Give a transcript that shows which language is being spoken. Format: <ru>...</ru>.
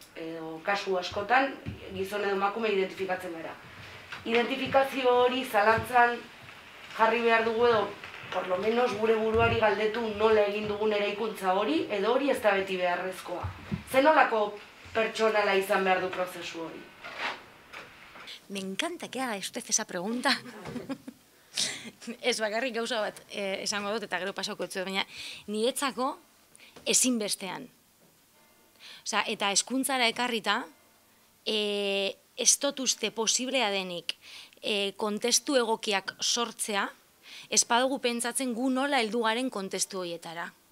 <eu>Edo kasu askotan gizon edo emakume identifikatzen gara. Identifikazio hori zalantzan jarri behar dugu edo</eu> <es>por lo menos</es> <eu>gure buruari galdetu nola egin dugun eraikuntza hori, edo hori ez da beti beharrezkoa. Zer nolako pertsonala izan behar du prozesu hori?</eu> <es>Me encanta que haga usted esa pregunta.</es> <eu>Ez bakarrik gauza bat esango dut eta gero pasako etzu, baina niretzako ezinbestean. Osa, eta hezkuntzara ekarrita, ez dut uste posiblea denik kontestu egokiak sortzea, ez badugu pentsatzen gu nola heldu garen kontestu horietara.</eu>